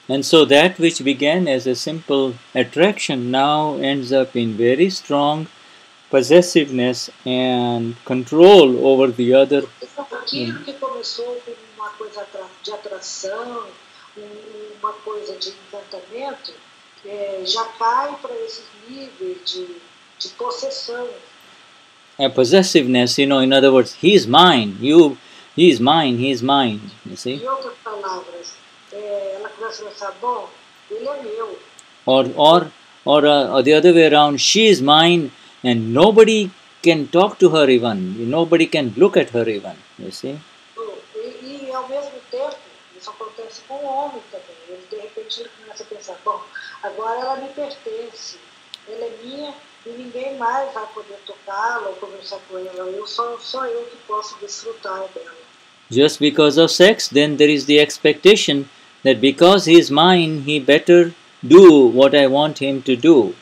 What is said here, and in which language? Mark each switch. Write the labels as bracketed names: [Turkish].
[English] And so that which began as a simple attraction now ends up in very strong possessiveness and control over the other. [Portuguese] Aquilo que começou como uma coisa de atração, uma coisa de encantamento, já cai para esse nível de possessão. [English] A possessiveness, you know, in other words, he is mine, you, he is mine, you see. [Portuguese] Em outras palavras, ela começa a pensar, bom, ele é meu. [English] Or the other way around, she is mine and nobody can talk to her even, nobody can look at her even, you see. [Portuguese] E ao mesmo tempo, isso acontece com o homem também. Ele de repente ele começa a pensar, bom, agora ela me pertence, ela é minha e ninguém mais vai poder tocá-la ou conversar com ela, só eu que posso desfrutar dela. [English] Just because of sex, then there is the expectation that because he is mine, he better do what I want him to do.